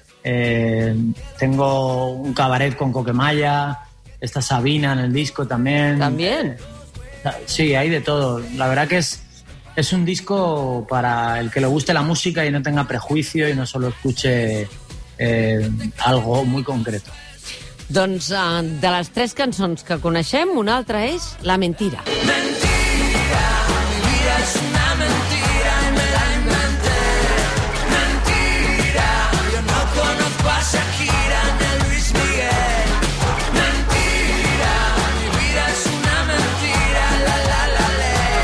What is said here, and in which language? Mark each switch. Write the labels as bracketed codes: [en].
[es] Tengo un cabaret con Coquemaya. Está Sabina en el disco también. ¿También? Sí, hay de todo. La verdad que es un disco para el que le guste la música y no tenga prejuicio y no solo escuche algo muy concreto. [ca] Doncs de les tres cançons que coneixem, una altra és La Mentira. [es] Mentira, mi vida es una mentira y me la inventé. Mentira, yo no conozco a Shakira ni a Luis Miguel. Mentira, mi vida es una mentira, la la la le.